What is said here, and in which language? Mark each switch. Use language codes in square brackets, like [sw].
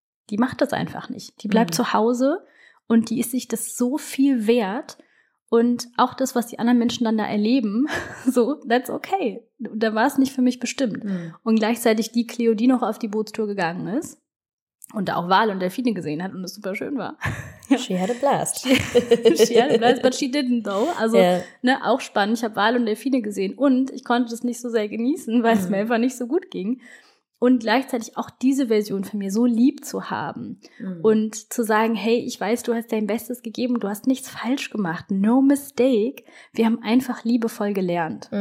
[de] Die macht das einfach nicht. Die bleibt zu Hause und die ist sich das so viel wert. Und auch das, was die anderen Menschen dann da erleben, so, [en] that's okay. [de] Da war es nicht für mich bestimmt. Und gleichzeitig die Cleo, die noch auf die Bootstour gegangen ist und da auch Wale und Delfine gesehen hat und es super schön war. [en] She had a blast. She had a blast, but she didn't though. [de] Also, ne, auch spannend. Ich habe Wale und Delfine gesehen und ich konnte das nicht so sehr genießen, weil es mir einfach nicht so gut ging. Und gleichzeitig auch diese Version von mir so lieb zu haben und zu sagen, hey, ich weiß, du hast dein Bestes gegeben, du hast nichts falsch gemacht, [en] no mistake, [de] wir haben einfach liebevoll gelernt.